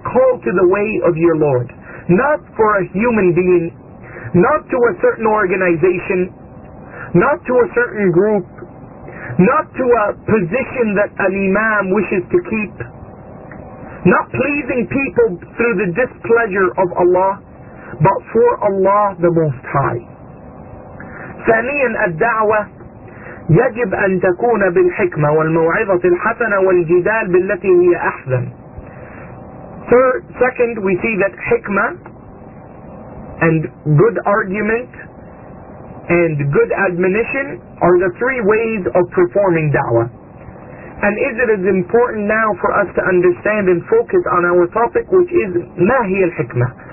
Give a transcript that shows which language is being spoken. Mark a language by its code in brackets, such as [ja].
[en] Call to the way of your Lord. Not for a human being, not to a certain organization, not to a certain group, not to a position that an imam wishes to keep, not pleasing people through the displeasure of Allah, but for Allah the Most High. [ar] ثانياً الدعوة يجب أن تكون بالحكمة والموعظة الحسنة والجدال بالتي هي أحسن. [en] Second, we see that hikmah and good argument and good admonition are the three ways of performing da'wah. And is it as important now for us to understand and focus on our topic, which is ma hi al-hikmah?